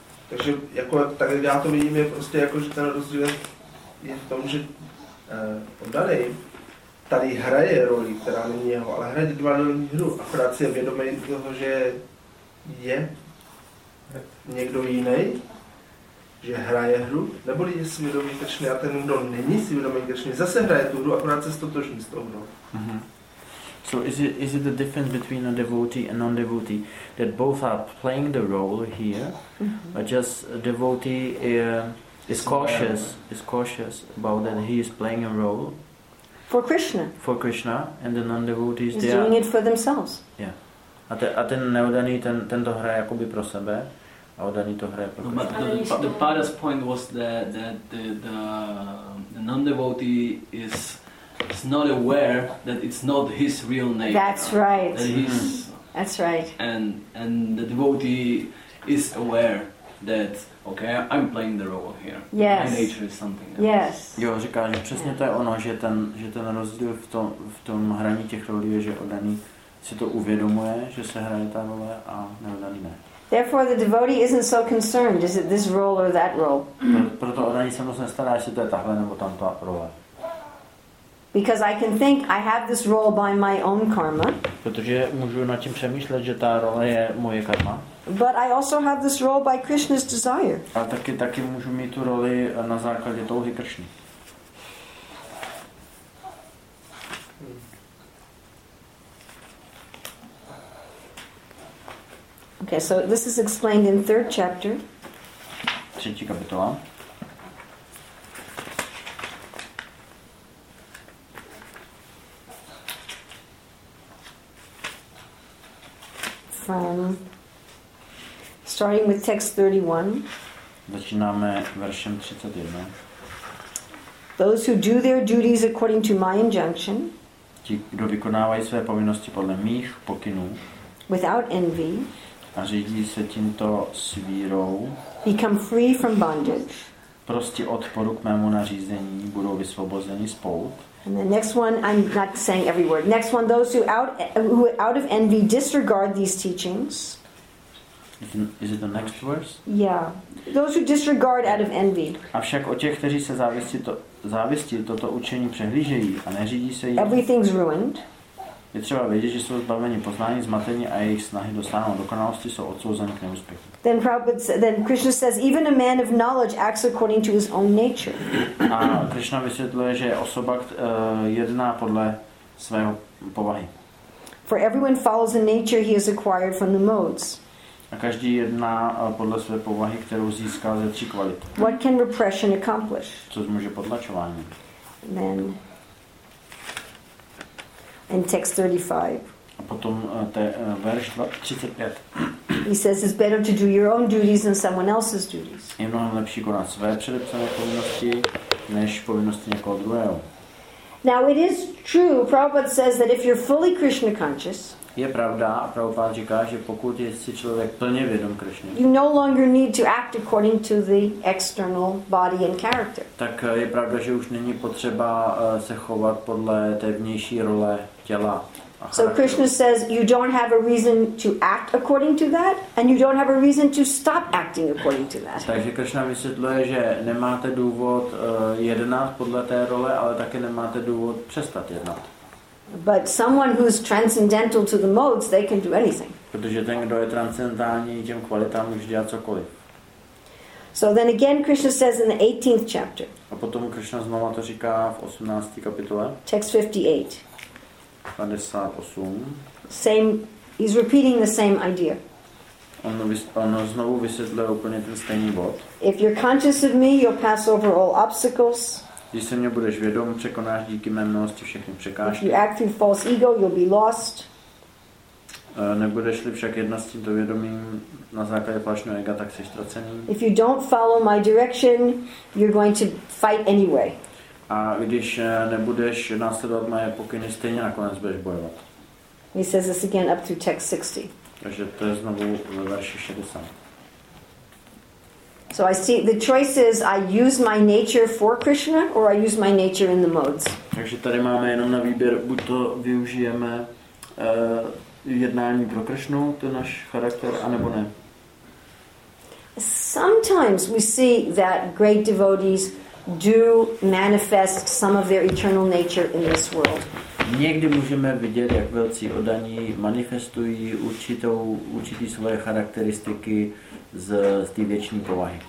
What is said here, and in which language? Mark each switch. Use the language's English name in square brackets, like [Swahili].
[Czech] Takže jako tak já to vidím, je prostě jako, že ten rozdíl je v tom, že oddanej tady hraje roli, která není jeho, ale hraje dvojnou hru a akorát si je vědomý toho, že je někdo jiný, že hraje hru, nebo lidi si vědomí Krišny a ten, kdo není si vědomý Krišny, zase hraje tu hru, akorát se stotožní s tou hrou. [English] So is it the difference between a devotee and non-devotee that both are playing the role here, but just a devotee is cautious about that he is playing a role for Krishna, and the non-devotee is doing it for themselves. [Czech] Yeah, a ten neudaný ten to hraje jakoby pro sebe, a udaný to hraje pro Krishna. [English] But the Pada's point was that the non-devotee is. It's not aware that it's not his real name. That's right. That he's That's right. And the devotee is aware that okay, I'm playing the role here. Yes. My nature is something else. Yes. [Czech] Jo, říká, že přesně to je ono, že ten rozdíl v tom hraní těch rolí je, že oddaný si to uvědomuje, že se hraje ta role a neoddaný ne. [English] Therefore, the devotee isn't so concerned. Is it this role or that role? [Czech] Proto oddaný se moc nestará, jestli to je tahle nebo tamto role. [English] Because I can think I have this role by my own karma. [Czech] Protože můžu nad tím přemýšlet, že ta role je moje karma. [English] But I also have this role by Krishna's desire. [Czech] A taky můžu mít tu roli na základě touhy Krishny. [English] Okay, so this is explained in third chapter. [Czech] Třetí kapitola. [English] Starting with text 31. [Czech] Začínáme veršem 31. [English] Those who do their duties according to my injunction. [Czech] Ti, kdo vykonávají své povinnosti podle mých pokynů. [English] Without envy. [Czech] a řídí se tímto svírou. [English] Become free from bondage. [Czech] Prostě odporu k mému nařízení budou vysvobozeni z pout. [English] And the next one, I'm not saying every word. Next one, those who out of envy disregard these teachings. Is it the next verse? Yeah. Those who disregard out of envy. [Czech] Avšak o těch, kteří se závistí toto učení přehlížejí a neřídí se jim. [English] Everything's ruined. [Czech] Je třeba vědět, že jsou zbaveni poznání, zmatení a jejich snahy dosáhnout dokonalosti jsou odsouzeny k neúspěchu. [English] Then Krishna says, even a man of knowledge acts according to his own nature. [Czech] A Krishna vysvětluje, že osoba jedná podle svého povahy. [English] For everyone follows the nature he has acquired from the modes. [Czech] A každý jedná podle své povahy, kterou získal ze tří kvalit. [English] What can repression accomplish? [Czech] Co může potlačování? [English] Then, in text 35. [Czech] A potom verš 35. [English] He says it's better to do your own duties than someone else's duties. [Czech] Je mnohem lepší konat své předepsané povinnosti než povinnosti někoho druhého. [English] Now it is true, Prabhupada says that if you're fully Krishna conscious. [Czech] Je pravda, a Prabhupada říká, že pokud je si člověk plně vědom Krishny. [English] You no longer need to act according to the external body and character. [Czech] Tak je pravda, že už není potřeba se chovat podle té vnější role těla. [English] So Krishna says you don't have a reason to act according to that and you don't have a reason to stop acting according to that. [Czech] Takže Krishna vysvětluje, že nemáte důvod jednat podle té role, ale také nemáte důvod přestat jednat. [English] But someone who's transcendental to the modes, they can do anything. [Czech] Protože ten, kdo je transcendentální těm kvalitám, může dělat cokoliv. [English] So then again Krishna says in the 18th chapter. [Czech] A potom Krishna znova to říká v 18. kapitole. [English] Text 58. [Czech] 58. [English] Same, he's repeating the same idea. [Czech] On znovu vysvětluje úplně ten stejný bod. [English] If you're conscious of me, you'll pass over all obstacles. [Czech] Když se mě budeš vědom, překonáš díky mé milosti všechny překážky. [English] If you act through false ego, you'll be lost. [Czech] Nebudeš-li však jednat s tímto vědomím na základě falešného ega, tak jsi ztracený. [English] If you don't follow my direction, you're going to fight anyway. [Czech] A když nebudeš následovat moje pokyny, stejně nakonec budeš bojovat. [English] He says this again up through text 60. [Czech] Takže to je znovu ve verši 60. [English] So I see the choice is I use my nature for Krishna or I use my nature in the modes. [Czech] Takže tady máme jenom na výběr, buď to využijeme jednání pro Krishnu, to je náš charakter, anebo ne. [English] Sometimes we see that great devotees do manifest some of their eternal nature in this world. [Czech] Někdy můžeme vidět, jak velcí oddaní manifestují určitý svoje charakteristiky z té věční povahy.